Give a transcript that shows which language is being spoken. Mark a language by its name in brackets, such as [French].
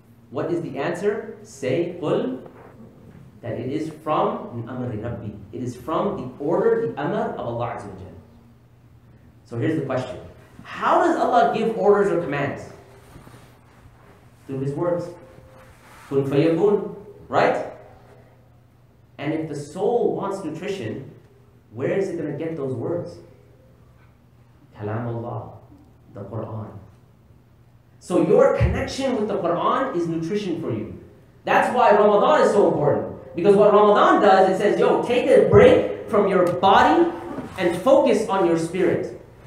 [English] What is the answer? Say, قُلْ, that it is from [Arabic] أَمَرِ رَبِّي. [English] It is from the order, the amr of Allah Azza wa Jal. So here's the question. How does Allah give orders or commands? Through His words. [Arabic] كُنْ فَيَكُنْ, right? [English] And if the soul wants nutrition, where is it going to get those words? Kalam Allah, the Quran. So your connection with the Quran is nutrition for you. That's why Ramadan is so important. Because what Ramadan does, it says, yo, take a break from your body and focus on your spirit.